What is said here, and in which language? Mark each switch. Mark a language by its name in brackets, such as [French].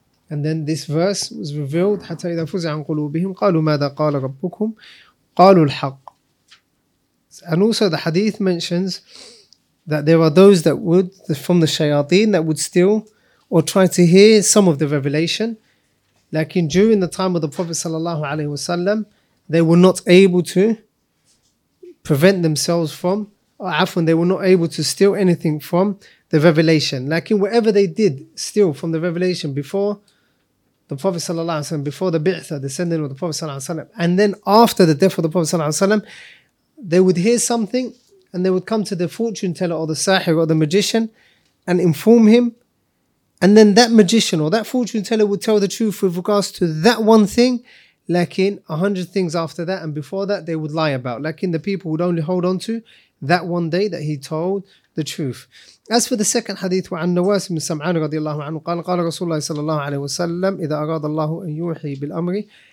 [English] And then this verse was revealed, [Arabic] حتى إذا فزع عن قلوبهم قالوا ماذا قال ربكم قالوا الحق. [English] And also the hadith mentions that there are those that would, from the shayateen, that would steal or try to hear some of the revelation. Lakin during the time of the Prophet sallallahu alayhi wasallam, they were not able to prevent themselves from, or afwan, they were not able to steal anything from the revelation. Like in whatever they did steal from the revelation before the Prophet sallallahu alaihi wasallam, before the bi'tha, the sending of the Prophet sallallahu alaihi wasallam, and then after the death of the Prophet sallallahu alaihi wasallam, they would hear something and they would come to the fortune teller or the sahir or the magician and inform him, and then that magician or that fortune teller would tell the truth with regards to that one thing. Lakin 100 things after that and before that they would lie about. Lakin the people would only hold on to that one day that he told the truth. As for the second hadith, [Arabic] وعن نواس بن سمعان رضي الله عنه قال قال رسول الله صلى الله عليه وسلم إذا أراد الله أن يوحي بالأمر.